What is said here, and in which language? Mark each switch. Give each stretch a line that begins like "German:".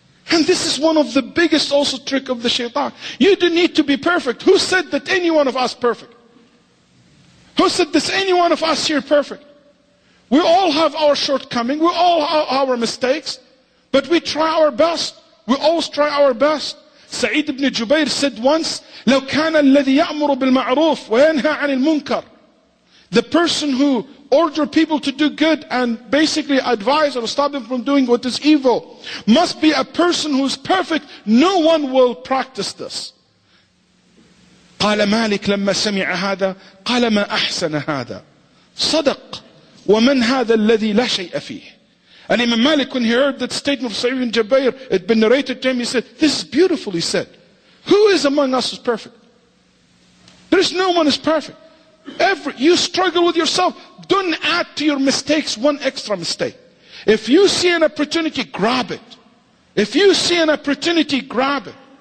English: And this is one of the biggest also trick of the shaitan. You don't need to be perfect. Who said that any one of us perfect? Who said this any one of us here perfect? We all have our shortcomings. We all have our mistakes. But we try our best. We always try our best.
Arabic: Sa'id ibn Jubayr said once, لَوْ كَانَ الَّذِي يَأْمُرُ بِالْمَعْرُوفِ وَيَنْهَى عَنِ الْمُنْكَرِ.
English: The person who order people to do good and basically advise or stop them from doing what is evil must be a person who is perfect. No one will practice this.
Arabic: قال مالك لما سمع هذا قال ما أحسن هذا صدق ومن هذا الذي لا شيء فيه.
English: And Imam Malik, when he heard that statement of Sa'id ibn Jubayr, it had been narrated to him, he said, this is beautiful, he said. Who is among us who's perfect? There is no one who's perfect. You struggle with yourself. Don't add to your mistakes one extra mistake. If you see an opportunity, grab it. If you see an opportunity, grab it.